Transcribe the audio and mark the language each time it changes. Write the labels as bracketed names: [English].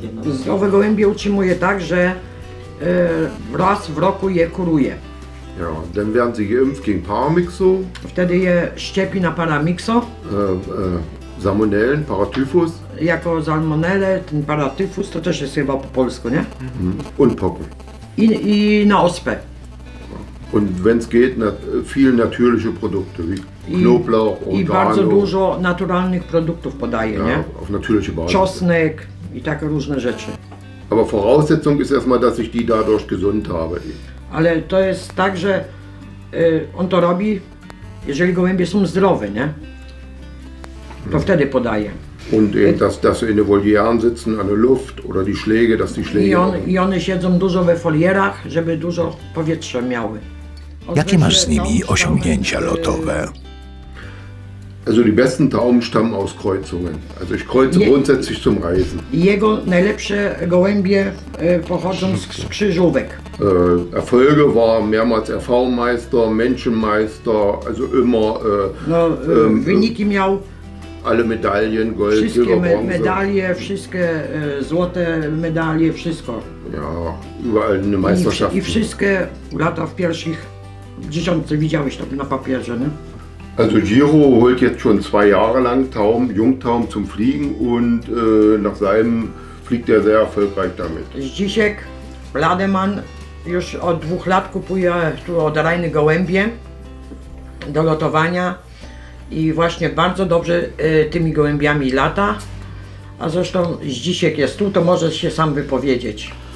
[Polish] Zdrowe gołębie utrzymuje tak, że raz w roku je kuruje. [German] Ja, dann werden sie geimpft gegen Paramyxo. [Polish] Wtedy je szczepi na Paramyxo. [German] Salmonellen, Paratyfus. [Polish] Jako salmonelle, ten paratyfus, to też jest chyba po polsku, nie? [German] Und Pocken. [Polish] I na ospę. [German] Und wenn's geht, viel natürliche Produkte, wie Knoblauch, Oregano. [Polish] I bardzo dużo naturalnych produktów podaje, ja, nie? [German] Auf natürliche Basis. [Polish] Czosnek i takie różne rzeczy. [German] Aber Voraussetzung ist erstmal, dass ich die dadurch gesund habe. [Polish] Ale to jest tak, że on to robi, jeżeli gołębie są zdrowe, nie? To wtedy podaje. [German] Und eben, dass sie in den Volieren sitzen, an der Luft oder die Schläge, dass die Schläge. [Polish] I one siedzą dużo we folierach, żeby dużo powietrza miały. Jakie masz z nimi osiągnięcia lotowe? [German] Also die besten Tauben stammen aus Kreuzungen. Also ich kreuze grundsätzlich zum Reisen. [Polish] Jego najlepsze gołębie pochodzą z krzyżówek. [German] Erfolge war mehrmals Erfahrungsmeister, Menschenmeister, also immer. [Polish] Wyniki miał. [German] Alle Medaillen, Gold, [Polish] wszystkie [German] Silber, Bronze. [Polish] Medalie, wszystkie złote medalie, wszystko. [German] Ja, überall eine Meisterschaft. [Polish] I wszystkie lata w pierwszych dziesiątce widziałeś to na papierze, nie? [German] Also Giro holt jetzt schon 2 Jahre lang Tauben, Jungtauben zum Fliegen und nach seinem fliegt er sehr erfolgreich damit. [Polish] Zdzisiek Lademann już od 2 lat kupuje tu od Rainy gołębie do lotowania. I właśnie bardzo dobrze tymi gołębiami lata. A zresztą Zdzisiek jest tu, to może się sam wypowiedzieć.